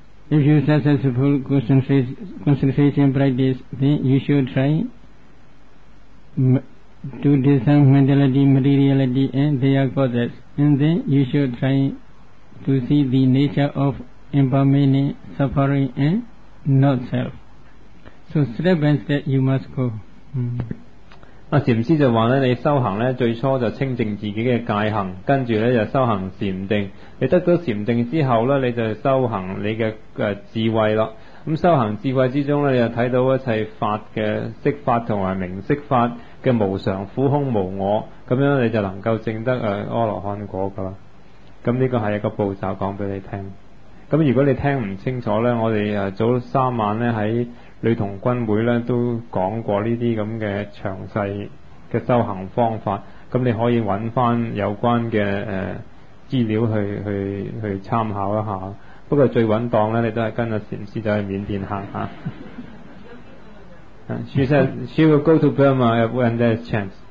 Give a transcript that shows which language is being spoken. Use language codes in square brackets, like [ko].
[en] If you successful concentration practice, then you should try to discern mentality, materiality and their causes. And then you should try to see the nature of impermanent suffering and not self. So step by step you must go. [yue] 禅师就话咧，你修行咧最初就清净自己嘅戒行，跟住咧就修行禅定。你得到禅定之后咧，你就修行你嘅智慧咯。咁修行智慧之中咧，你就睇到一切法嘅色法同埋明色法嘅无常、苦空、无我，咁样你就能够证得阿罗汉果噶啦。咁呢个系一个步骤讲俾你听。咁如果你听唔清楚咧，我哋早三晚咧喺。女童軍會咧都講過呢啲咁嘅詳細嘅修行方法，咁你可以揾翻有關嘅資料 去參考一下，不過最穩當呢你都是跟著禪師走去緬甸行下。 [en] She said she will go to Burma when there's chance.